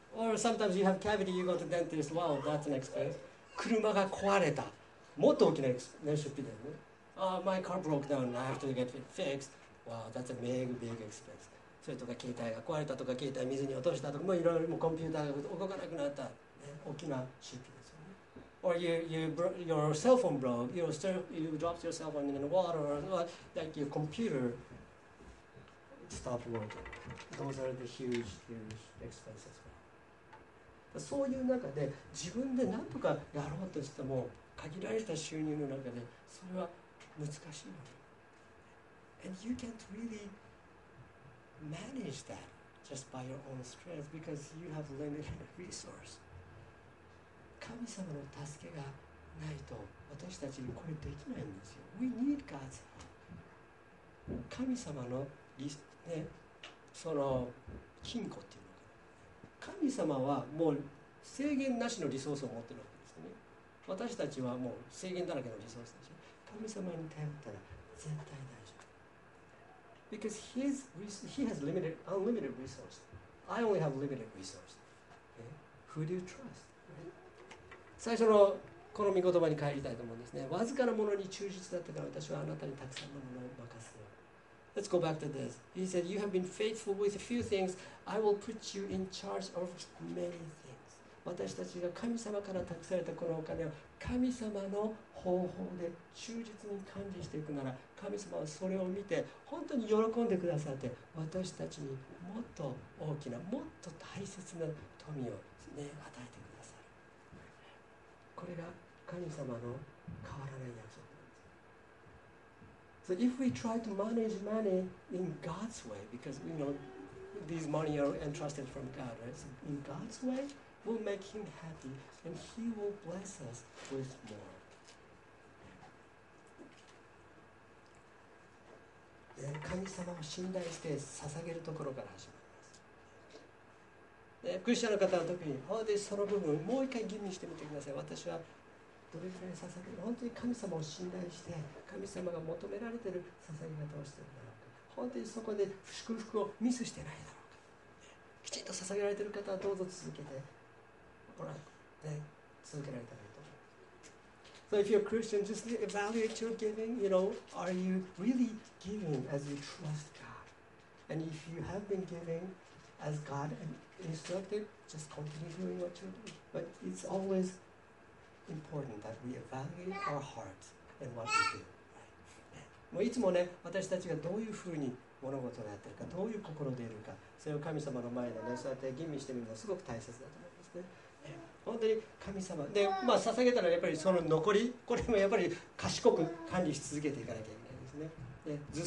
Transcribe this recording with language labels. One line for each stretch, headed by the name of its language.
English: Or sometimes you have cavity, you go to dentist, wow, that's an expense。
Japanese: 車が壊れた、もっと大きな、ね、出費だよね。
English: My car broke down. I have to get it fixed. Wow, that's a big, big expense.
Japanese: それとか携帯が壊れたとか、携帯水に落としたとか、もういろいろ、もうコンピューターが動かなくなった、ね、大きな出費ですよね。
English: Or your cell phone broke. You dropped your cell phone in the water. Or like your computer stopped working. Those are the huge, huge expenses.
Japanese: そういう中で自分で何とかやろうとしても限られた収入の中でそれは難しいの。
English: And you can't really manage that just by your own strength because you have limited resource.
Japanese: 神様の助けがないと私たちにこれできないんですよ。
English: We need God's help.
Japanese: 神様の、ね、その金庫っていうのかな。神様はもう制限なしのリソースを持ってるわけですよね。私たちはもう制限だらけのリソースでしょ。神様に頼ったら絶対大丈夫。
English: Because he has limited, unlimited resources. I only have limited resources.、Okay? Who do you trust?、Right?
Japanese: 最初のこの御言葉に帰りたいと思うんですね。わずかなものに忠実だったから私はあなたにたくさんのものを任せよう。
English: Let's go back to this. He said, you have been faithful with a few things. I will put you in charge of many things.
Japanese: 私たちが神様から託されたこのお金を神様の方法で忠実に管理していくなら、神様はそれを見て本当に喜んでくださって、私たちにもっと大きな、もっと大切な富を、ね、与えてくださる。これが神様の変わらない約束なんです。
English: So if we try to manage money in God's way, because we know these money are entrusted from God, right? So in God's way, we'll make Him happy, and He will bless us with more.
Japanese: で、神様を信頼して捧げるところから始まります。で、クリスチャンの方は特に、本当にその部分をもう一回吟味してみてください。私はどれくらい捧げる、本当に神様を信頼して、神様が求められている捧げ方をしているんだろうか。本当にそこで祝福をミスしてないだろうか。きちんと捧げられている方はどうぞ続けて、ほら、ね、続けられたらいいと思います。
English: So if you're a Christian, just evaluate your giving. You know, are you really giving as you trust God? And if you have been giving as God instructed, just continue doing what you're doing. But it's always important that we evaluate our heart and what we do.
Japanese: もういつもね、私たちがどういうふうに物事をやってるか、どういう心でいるか、それを神様の前でね、そうやって吟味してみるのはすごく大切だと思いますね。本当に神様で、まあ捧げたらやっぱりその残り、これもやっぱり賢く管理し続けていかなきゃいけないですね。